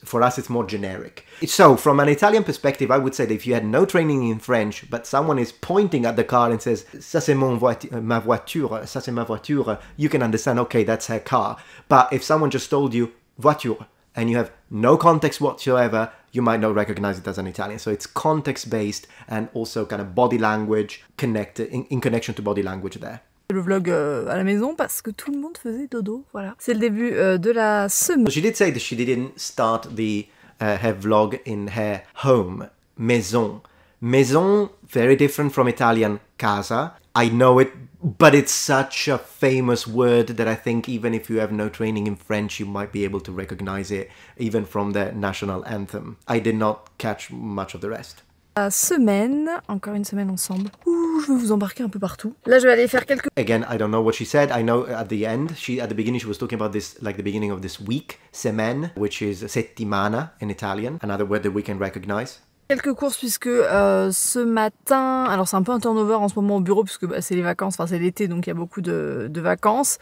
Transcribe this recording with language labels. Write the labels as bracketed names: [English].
[English] For us, it's more generic. So from an Italian perspective, I would say that if you had no training in French, but someone is pointing at the car and says, [French] ça c'est mon ma voiture, ça c'est ma voiture, [English] you can understand, okay, that's her car. But if someone just told you voiture and you have no context whatsoever, you might not recognize it as an Italian. So it's context-based and also kind of body language connected in connection to body language there. [French] Le vlog à la maison parce que tout le monde faisait dodo, voilà. C'est le début de la semaine. [English] So she did say that she didn't start the her vlog in her home, maison. Maison, very different from Italian casa. I know it, but it's such a famous word that I think even if you have no training in French, you might be able to recognize it even from the national anthem. I did not catch much of the rest. [French] Semaine, encore une semaine ensemble. Ouh, je vais vous embarquer un peu partout. Là, je vais aller faire quelques. [English] Again, I don't know what she said. I know at the end, at the beginning, she was talking about this, like the beginning of this week, semaine, which is settimana in Italian, another word that we can recognize. [French] Quelques courses puisque ce matin, alors c'est un peu un turnover en ce moment au bureau puisque bah, c'est les vacances, enfin c'est l'été donc il y a beaucoup de vacances.